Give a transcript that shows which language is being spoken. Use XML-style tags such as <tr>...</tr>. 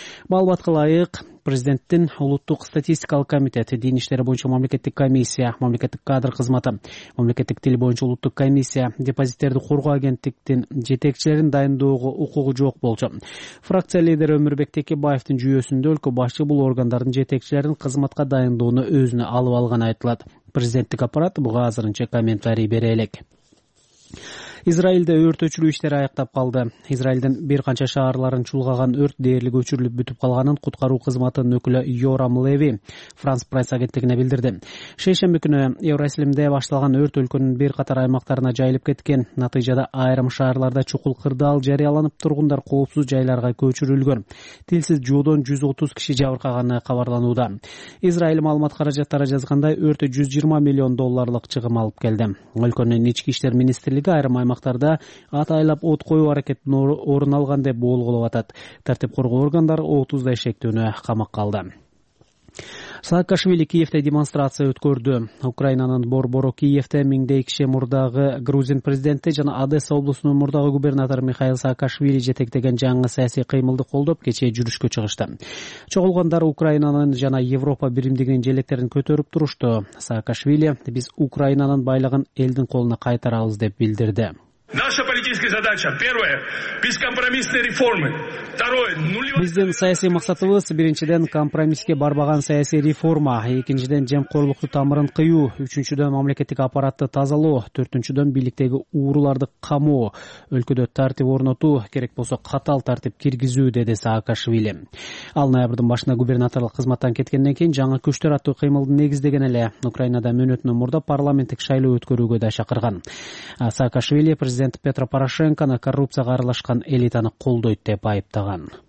<ky>Маалыматка ылайык, президенттин улуттук статистикалык комитети, дин иштери боюнча мамлекеттик комиссия, мамлекеттик кадр кызматы, мамлекеттик тил боюнча улуттук комиссия, депозиттерди коргоо агенттиктин жетекчилерин дайындоого укугу жок болчу. Фракция лидери Өмүрбек Текебаевдин жүйөсүндө өлкө башчы бул органдардын жетекчилерин кызматка дайындоону өзүнө алып алганы айтылат. Президенттик аппарат буга азырынча комментарий бере элек. Израилде өрт өчүрүү иштери аяктап калды. Израилдин бир канча шаарларын чулгаган өрт дээрлик өчүрүлүп бүтүп калганын куткаруу кызматынын өкүлү Йорам Леви Франс Прайс агенттигине билдирди. Шейшемби күнү Евросилимде башталган өрт өлкөнүн бир катар аймактарына жайылып кеткен. Натыйжада айрым шаарларда чукул кырдаал жарыяланып, тургундар коопсуз жайларга көчүрүлгөн. Тилсиз жоодон 130 киши жабыркаганы кабарланууда. Израиль маалымат каражаттары жазгандай, өрт 120 миллион долларлык чыгым алып келди. Өлкөнүн ички иштер министрлиги айрым аймактарда атайлап от коюу аракетин орун алган деп болгулоп атат. Тартип коргоо органдары 30 эшектөөнү камакка алды. Саакашвили Киевде демонстрация өткөрдү. Украинанын борбору Киевде миңдей киши мурдагы грузин президенти жана Одесса облусунун мурдагы губернатору Михаил Саакашвили жетектеген жаңы саясий кыймылды колдоп кечээ жүрүшкө чыгышты. Чогулгандар Украинанын жана Европа биримдигинин желектерин көтөрүп турушту. Саакашвили: «Биз Украинанын байлыгын элдин колуна кайтарабыз» деп билдирди.</ky> <ru>Наша политическая задача: первое — бескомпромиссные реформы. Второе — нулевая.</ru> <ky>Биздин саясий максатыбыз: биринчиден компромисске барбаган саясий реформа, экинчиден жемкорлукту тамырын кыюу, үчүнчүдөн мамлекеттик аппаратты тазалоо, төртүнчүдөн бийликтеги ууруларды камоо, өлкөдө тартип орнотуу, керек болсо катаал тартип киргизүү, деди Саакашвили. Ал ноябрдын башында губернаторлук кызматтан кеткенден кийин жаңы күчтөр аттуу кыймылды негиздеген эле Украинада мөөнөтүнөн мурда парламенттик шайлоо өткөрүүгө да чакырган. Саакашвили президент Петро Порошенконо коррупцияга аралашкан элитаны колдойт деп айыптаган.</ky>